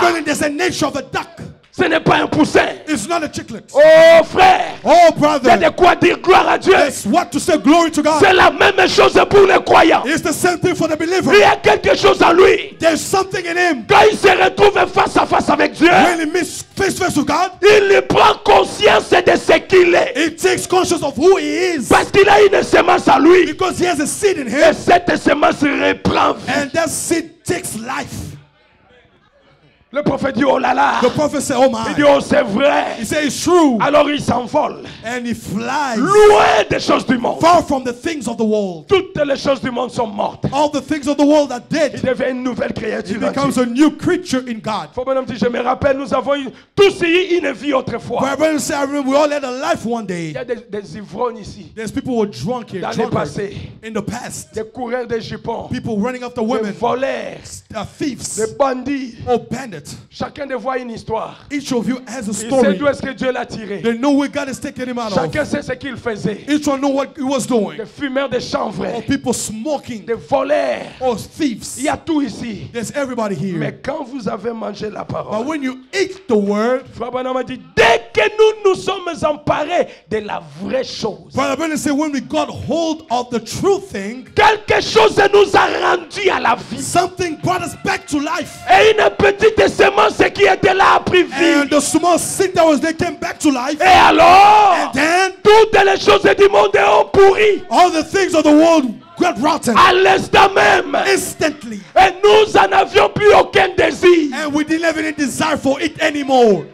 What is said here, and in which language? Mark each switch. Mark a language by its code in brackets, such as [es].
[en] Because there's a nature of a duck. [fr] Ce n'est pas un poussin. [en] It's not a chicklet. [fr] Oh frère. [en] Oh brother. [fr] Il y a de quoi dire gloire à Dieu. [en] There's what to say glory to God. [fr] C'est la même chose pour les croyants. [en] It's the same thing for the believer. [fr] Il y a quelque chose en lui. [en] There's something in him. [fr] Quand il se retrouve face à face avec Dieu. [en] When he meets face to face with God. [fr] Il prend conscience de ce qu'il est. [en] He takes conscience of who he is. [fr] Parce qu'il a une semence en lui. [en] Because he has a seed in him. [fr] Et cette semence reprend vie. [en] And that seed takes life. [fr] Le prophète dit oh là là. [en] The prophet said, oh my. [fr] Il dit oh c'est vrai. [en] He said it's true. [fr] Alors il s'envole. [en] And he flies. [fr] Loin des choses du monde. [en] Far from the things of the world. [fr] Toutes les choses du monde sont mortes. [en] All the things of the world are dead. [fr] Il devient une nouvelle créature. [en] He becomes a new creature in God. [fr] Frère dit je me rappelle nous avons tous eu une vie autrefois. [en] Frère said, I remember we all had a life one day. [fr] Il y a des ivrognes ici. [en] There's people who were drunk here. [fr] Dans le passé. [en] In the past. [fr] Des coureurs de jupons. [en] People running after women. [fr] Des voleurs. [en] Thieves. [fr] Des bandits. [en] Or bandits. [fr] Chacun de vous a une histoire. [en] Each of you has a story. [fr] Il sait d'où est-ce que Dieu l'a tiré. [en] They know where God has taken him out of. [fr] Chacun sait ce qu'il faisait. [en] Each one know what he was doing. [fr] Des fumeurs de chanvre. [en] Or people smoking. [fr] Des voleurs. [en] Or thieves. [fr] Il y a tout ici. [en] There's everybody here. [fr] Mais quand vous avez mangé la parole. [en] But when you eat the word. [fr] Frère Branham dit dès que nous nous sommes emparés de la vraie chose. [en] Frère Branham said when we got hold of the true thing. [fr] Quelque chose nous a rendu à la vie. [en] Something brought us back to life. [fr] Et une petite et seulement ce qui était là a pris vie. [en] And the small seed that was there came back to life. [fr] Et alors, [en] and then, [fr] toutes les choses du monde ont pourri. [en] All the things of the world got rotten. [fr] À l'instant même. [en] Instantly. [fr] Et nous en avions plus aucun désir. [en] And we didn't have any desire for it anymore.